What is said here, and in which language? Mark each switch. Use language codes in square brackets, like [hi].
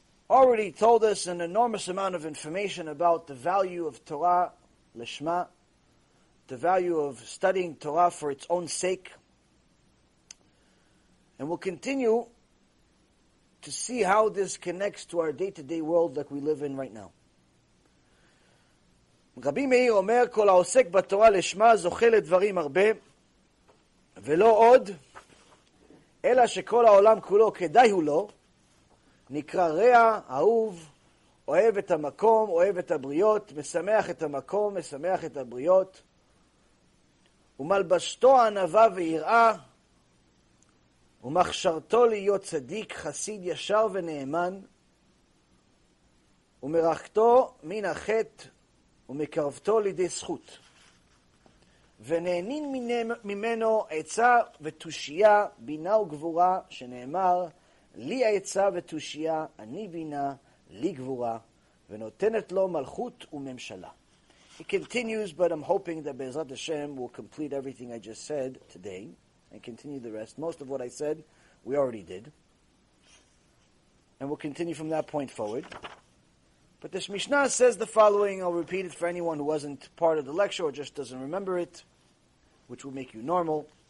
[en] Already told us an enormous amount of information about the value of Torah, Lishma, the value of studying Torah for its own sake. And we'll continue to see how this connects to our day-to-day world that we live in right now. [he] Rabbi Meir omer, kol haosek b'Torah Lishma zoche ledvarim arbe, velo od, ela shekol haolam kulo kedai hu lo, נקרא רע, אהוב, אוהב את המקום, אוהב את הבריות, משמח את המקום, משמח את הבריות, ומלבשתו ענווה ויראה, ומכשרתו להיות צדיק, חסיד ישר ונאמן, ומרחקתו מן החטא, ומקרבתו לידי זכות, ונהנין ממנו עצה ותושייה, בינה וגבורה, שנאמר, לי עצה ותושייה, אני בינה, לי גבורה, ונותנת לו מלכות וממשלה. [en] He continues, but I'm hoping that Be'ezrat Hashem will complete everything I just said today and continue the rest. Most of what I said, we already did. And we'll continue from that point forward. But this Mishnah says the following, I'll repeat it for anyone who wasn't part of the lecture or just doesn't remember it, which will make you normal.